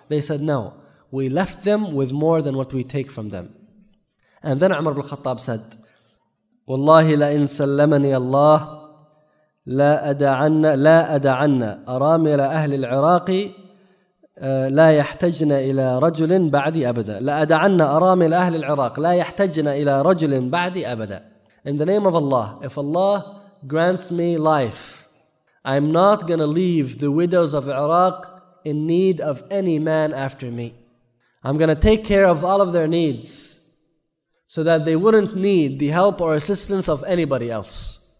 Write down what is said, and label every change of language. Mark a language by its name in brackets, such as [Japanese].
[English] They said, no, we left them with more than what we take from them. And then Umar ibn Khattab said, [Arabic] Wallahi la in sallamani Allah لا أدعن أرامل أهل العراق لا يحتجن إلى رجل بعدي أبدا. لا أدعن أرامل أهل العراق لا يحتجن إلى رجل بعدي أبدا. [English] In the name of Allah, if Allah grants me life, I'm not gonna leave the widows of Iraq in need of any man after me. I'm gonna take care of all of their needs so that they wouldn't need the help or assistance of anybody else.